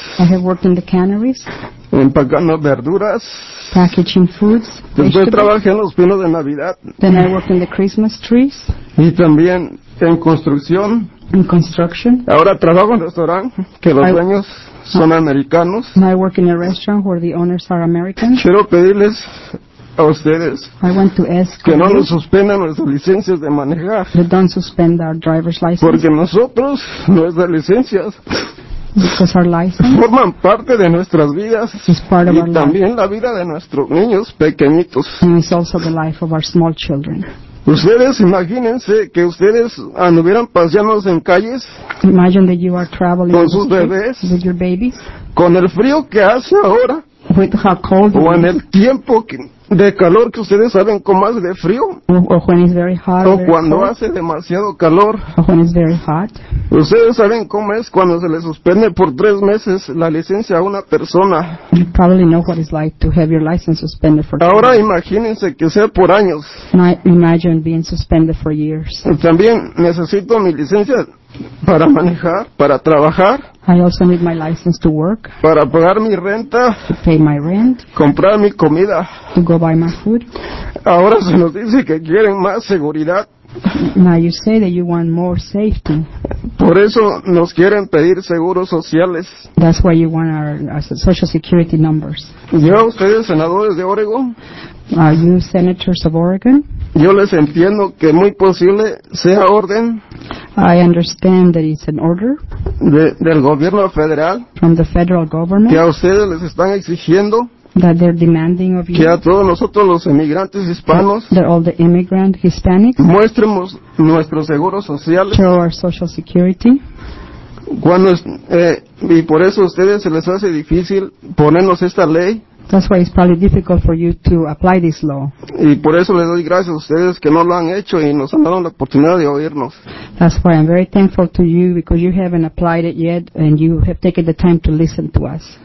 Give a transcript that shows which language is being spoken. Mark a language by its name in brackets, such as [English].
[English] I have worked in the canneries. [Spanish] Empacando verduras. [English] Packaging foods. [Spanish] Después trabajé en los pinos de Navidad. [English] Then I worked in the Christmas trees. [Spanish] Y también en construcción. [English] In construction. [Spanish] Ahora trabajo en un restaurante que los dueños son americanos. [English] And I work in a restaurant where the owners are American. [Spanish] Quiero pedirles a ustedes que no nos suspendan nuestras licencias de manejar. [English] That don't suspend our driver's license. [Spanish] Porque nosotros, nuestras licencias, [English] because our license [Spanish] forman parte de nuestras vidas, [English] is part of [Spanish] y [English] our [Spanish] también La vida de nuestros niños pequeñitos. [English] And it's also the life of our small children. [Spanish] Ustedes imagínense que ustedes anduvieran paseándose en calles. [English] Imagine that you are traveling [Spanish] con sus bebés, [English] with your babies, [Spanish] con el frío que hace ahora, [English] with how cold [Spanish] o en el tiempo que de calor que ustedes saben cómo hace de frío, [English] or when it's very hot, [Spanish] o cuando [English] cold, [Spanish] hace demasiado calor, [English] or when it's very hot. [Spanish] Ustedes saben cómo es cuando se le suspende por 3 meses la licencia a una persona. [English] You probably know what it's like to have your license suspended for. [Spanish] Ahora imagínense que sea por años. [English] I imagine being suspended for years. [Spanish] También necesito mi licencia para manejar, para trabajar. [English] I also need my license to work. [Spanish] Para pagar mi renta. [English] To pay my rent. [Spanish] Comprar mi comida. [English] To go buy my food. [Spanish] Ahora se nos dice que quieren más seguridad. [English] Now you say that you want more safety. [Spanish] Por eso nos quieren pedir seguros sociales. [English] That's why you want our social security numbers. [Spanish] Yo, ustedes, senadores de Oregon. [English] Are you senators of Oregon? [Spanish] Yo les entiendo que muy posible sea orden. [English] I understand that it's an order. [Spanish] Del gobierno federal. [English] From the federal government. [Spanish] Que a ustedes les están exigiendo. [English] That they're demanding of you. [Spanish] Que a todos nosotros los emigrantes hispanos. [English] That all the immigrant Hispanics. [Spanish] Muestremos nuestro seguro social. [English] Show our social security. [Spanish] Cuando y por eso a ustedes se les hace difícil ponernos esta ley. [English] That's why it's probably difficult for you to apply this law. [Spanish] Y por eso les doy gracias a ustedes que no lo han hecho y nos han dado la oportunidad de oírnos. [English] That's why I'm very thankful to you because you haven't applied it yet and you have taken the time to listen to us.